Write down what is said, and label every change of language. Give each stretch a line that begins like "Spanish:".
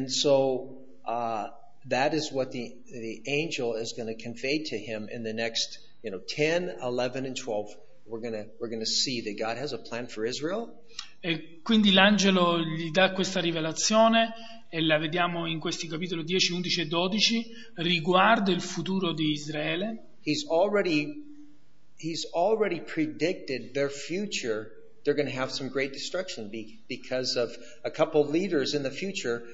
English: That is what the angel is going to convey to him in the next, you know, 10, 11 and 12. We're gonna see that God has a plan for Israel.
Italian: E quindi l'angelo gli dà questa rivelazione e la vediamo in questi capitoli 10, 11 e 12 riguardo il futuro di Israele.
English: He's already predicted their future. They're going to have some great destruction because of a couple of leaders in the future.